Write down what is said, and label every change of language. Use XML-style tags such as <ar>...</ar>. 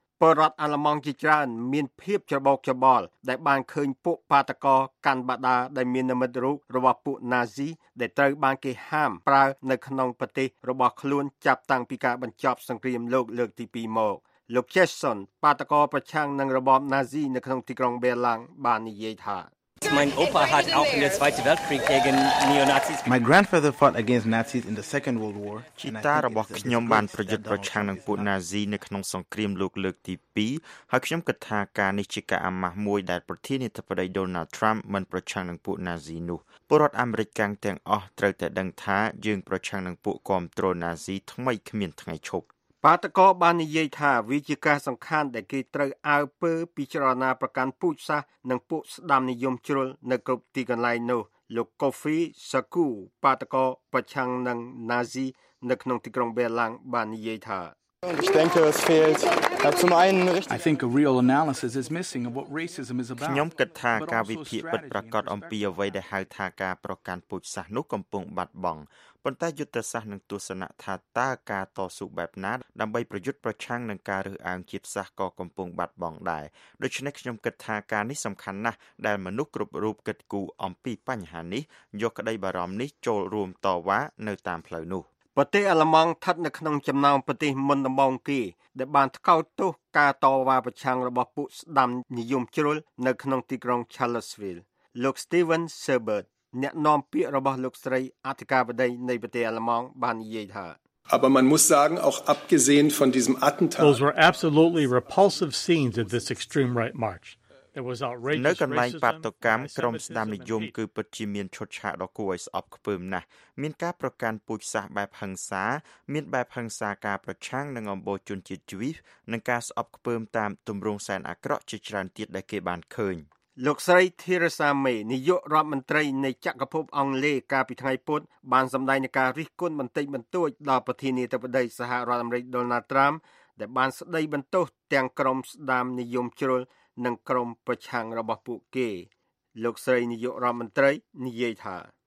<km>ពលរដ្ឋអាឡម៉ង់ជាច្រើនមានភាពច្របូកច្របល់ដែលបានឃើញពួកបាតកោកាន់បដាដែលមាននិមិត្តរូបរបស់ពួកណាស៊ីដែលត្រូវបានគេហាមប្រើនៅក្នុងប្រទេសរបស់ខ្លួនចាប់តាំងពីការបញ្ចប់សង្គ្រាមលោកលើកទី2មកលោក Jason បាតកោប្រឆាំងនឹងរបបណាស៊ីនៅក្នុងទីក្រុងបេឡាំងបាននិយាយថា</km> <de>Mein Opa hat auch in der Zweiten Weltkrieg gegen Neonazis.</de> <en>My grandfather fought against Nazis in the Second World War.</en> <km>ជីតារបស់ខ្ញុំបានប្រយុទ្ធប្រឆាំងនឹងពួកណាស៊ីនៅក្នុងសង្គ្រាមលោកលើកទី2ហើយខ្ញុំគិតថាការនេះជាការអាម៉ាស់មួយដែលប្រធានាធិបតី Donald Trump មិនប្រឆាំងនឹងពួកណាស៊ីនោះពលរដ្ឋអាមេរិកកាំងទាំងអស់ត្រូវតែដឹងថាយើងប្រឆាំងនឹងពួកគាំទ្រណាស៊ីថ្មីគ្មានថ្ងៃឈប់ បាតកោបាននិយាយថាវាជាការសំខាន់ដែលគេត្រូវអើពើពីចរណាប្រកាន់ពូជសាសន៍និងពួកស្ដាំនិយមជ្រុលនៅគ្រប់ទីកន្លែងនោះលោកកូហ្វីសាគូបាតកោប្រឆាំងនឹងណាស៊ីនៅក្នុងទីក្រុងបេឡាំងបាននិយាយថា I think a real analysis is missing of what racism is about. ខ្ញុំគិតថាការវិភាគពិតប្រាកដអំពីអ្វីដែលហៅថាការប្រកាន់ពូជសាសន៍នោះកំពុងបាត់បង់ប៉ុន្តែយុទ្ធសាស្ត្រនិងទស្សនៈថាតើការតស៊ូបែបណាដើម្បីប្រយុទ្ធប្រឆាំងនឹងការរើសអើងជាតិសាសន៍ក៏កំពុងបាត់បង់ដែរដូច្នេះខ្ញុំគិតថាការនេះសំខាន់ណាស់ដែលមនុស្សគ្រប់រូបគិតគូរអំពីបញ្ហានេះយកក្តីបារម្ភនេះចូលរួមតវ៉ានៅតាមផ្លូវនោះ ប្រទេសអាឡម៉ង់ស្ថិតនៅក្នុងចំណោមប្រទេសមុនដំបូងគេដែលបានថ្កោលទោសការតវ៉ាប្រឆាំងរបស់ពួកស្ដាំនិយមជ្រុលនៅក្នុងទីក្រុង Charlottesville លោក Steven Serbert អ្នកនាំពាក្យរបស់លោកស្រីអធិការបតីនៃប្រទេសអាឡម៉ង់បាននិយាយថា</km> <de>Aber man muss sagen auch abgesehen von diesem Attentat</de> <en>Those were absolutely repulsive scenes of this extreme right march. There was outrageous racism.</en> <km>នៅកន្លែងបាតុកម្មក្រុមស្ដាំនិយមគឺពិតជាមានឈុតឆាកដ៏គួរឲ្យស្អប់ខ្ពើមណាស់មានការប្រកាន់ពូជសាសន៍បែបហិង្សាមានបែបហិង្សាការប្រឆាំងនឹងអំបូរជនជាតិជ្វីសនិងការស្អប់ខ្ពើមតាមទម្រង់សែនអាក្រក់ជាច្រើនទៀតដែលគេបានឃើញ លោកស្រីធីរ៉ាសាមេនាយករដ្ឋមន្ត្រីនៃចក្រភពអង់គ្លេសកាលពីថ្ងៃពុធបានសម្ដែងនឹងការរិះគន់បន្តិចបន្តួចដល់ប្រធានាធិបតីសហរដ្ឋអាមេរិកដូណាល់ត្រាំដែលបានស្ដីបន្ទោសទាំងក្រុមស្ដាំនិយមជ្រុលនឹងក្រុមប្រឆាំងរបស់ពួកគេលោកស្រីនាយករដ្ឋមន្ត្រីនិយាយថា</km>